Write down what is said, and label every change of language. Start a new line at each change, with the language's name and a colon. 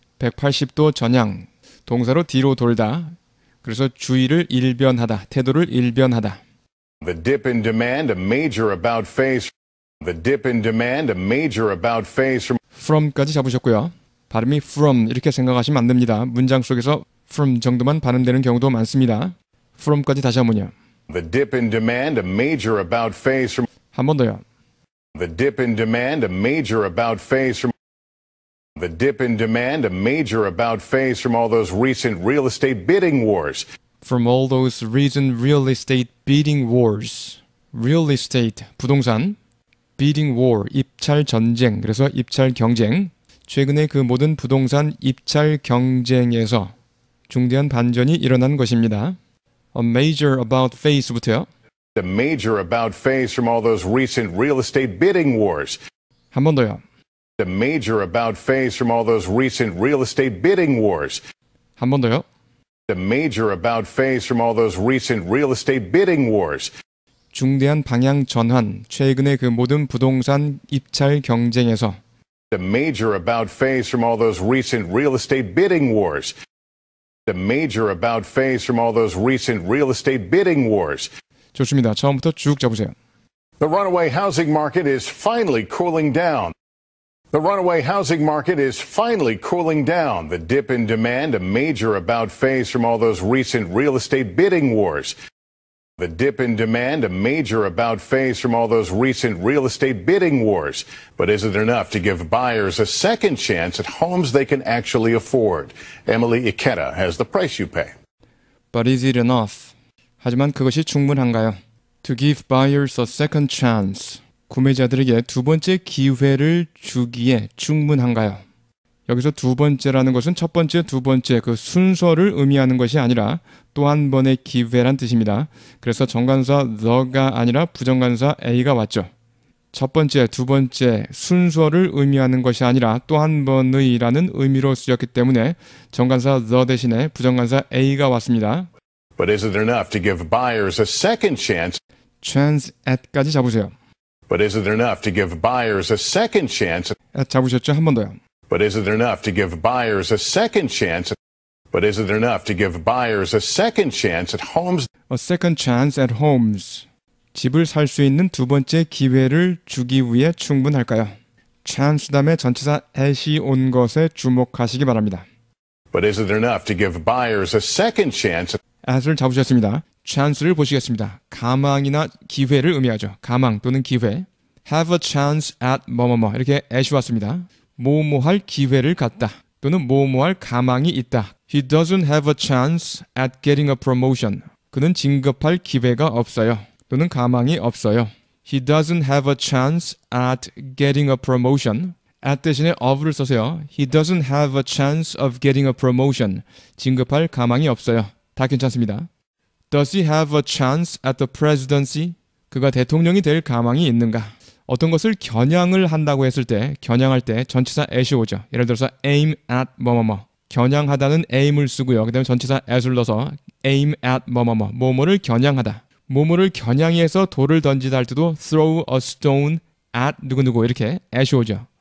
Korean: 180도 전향, 동사로 뒤로 돌다. 그래서 주의를 일변하다, 태도를 일변하다.
English: The dip in demand, a major about face. The dip in demand, a major about face.
Korean: From까지 잡으셨고요. 발음이 from 이렇게 생각하시면 안 됩니다. 문장 속에서 from 정도만 발음되는 경우도 많습니다. From까지 다시 한 번요.
English: The dip in demand, a major about face.
Korean: 한 번 더요.
English: The dip in demand, a major about face. The dip in demand, a major about face from all those recent real estate bidding wars. From all those recent real estate bidding wars. Real estate,
Korean: 부동산.
English: Bidding war,
Korean: 입찰 전쟁. 그래서 입찰 경쟁. 최근에 그 모든 부동산 입찰 경쟁에서 중대한 반전이 일어난 것입니다.
English: A major about face부터요. A major about face from all those recent real estate bidding wars.
Korean: 한 번 더요.
English: A major about face from all those recent real estate bidding wars.
Korean: 한 번 더요.
English: The major about face from all those recent real estate bidding wars.
Korean: 중대한 방향 전환. 최근의 그 모든 부동산 입찰 경쟁에서.
English: The major about face from all those recent real estate bidding wars. The major about face from all those recent real estate bidding wars.
Korean: 좋습니다. 처음부터 쭉 잡으세요.
English: The runaway housing market is finally cooling down. The runaway housing market is finally cooling down. The dip in demand, a major about face from all those recent real estate bidding wars. The dip in demand, a major about-face from all those recent real estate bidding wars. But is it enough to give buyers a second chance at homes they can actually afford? Emily Ikeda has the price you pay. But is it enough?
Korean: 하지만 그것이 충분한가요?
English: To give buyers a second chance.
Korean: 구매자들에게 두 번째 기회를 주기에 충분한가요? 여기서 두 번째라는 것은 첫 번째, 두 번째 그 순서를 의미하는 것이 아니라 또 한 번의 기회란 뜻입니다. 그래서 정관사 the가 아니라 부정관사 a가 왔죠. 첫 번째, 두 번째 순서를 의미하는 것이 아니라 또 한 번의 라는 의미로 쓰였기 때문에 정관사 the 대신에 부정관사 a가 왔습니다.
English: But is it enough to give buyers a second chance?
Korean: Chance at까지 잡으세요.
English: But is it enough to give buyers a second chance?
Korean: At 잡으셨죠? 한 번 더요.
English: But is it enough to give buyers a second chance? But is it enough to give buyers a second chance at homes? A second chance at homes.
Korean: 집을 살 수 있는 두 번째 기회를 주기 위해 충분할까요? Chance 다음에 전치사 at이 온 것에 주목하시기 바랍니다.
English: But is it enough to give buyers a second chance?
Korean: At을 잡으셨습니다. Chance를 보시겠습니다. 가망이나 기회를 의미하죠. 가망 또는 기회.
English: Have a chance at
Korean: 뭐뭐뭐 이렇게 at이 왔습니다. 뭐뭐할 기회를 갖다 또는 뭐뭐할 가망이 있다.
English: He doesn't have a chance at getting a promotion.
Korean: 그는 진급할 기회가 없어요. 또는 가망이 없어요.
English: He doesn't have a chance at getting a promotion. at
Korean: 대신에
English: of를 써세요. He doesn't have a chance of getting a promotion.
Korean: 진급할 가망이 없어요. 다 괜찮습니다.
English: Does he have a chance at the presidency?
Korean: 그가 대통령이 될 가망이 있는가? 어떤 것을 겨냥을 한다고 했을 때, 겨냥할 때 전치사 at이 오죠. 예를 들어서 aim at 뭐뭐뭐. 겨냥하다는 aim을 쓰고요. 그 다음에 전치사 at을 넣어서 aim at 뭐뭐뭐. 뭐뭐를 겨냥하다. 뭐뭐를 겨냥해서 돌을 던지다 할 때도
English: throw a stone at
Korean: 누구누구 이렇게 at이 오죠.